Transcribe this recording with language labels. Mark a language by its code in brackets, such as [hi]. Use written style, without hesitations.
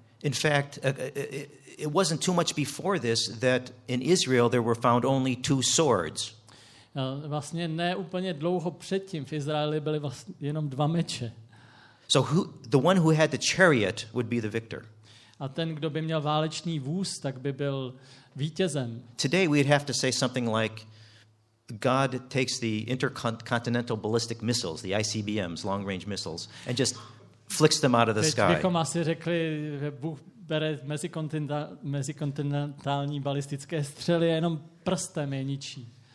[en] In fact, it wasn't too much before this that in Israel there were found only two swords. [cs] Vlastně ne úplně dlouho předtím v Izraeli byly vlastně jenom dva meče. [en] So the one who had the chariot would be the victor. [cs] A ten, kdo by měl válečný vůz, tak by byl vítězem. [en] Today we'd have to say something like God takes the intercontinental ballistic missiles, the ICBMs, long range missiles, and just flicks them out of the sky. [cs] Teď bychom asi řekli, že Bůh bere mezikontinentální balistické střely a jenom prstem je ničí.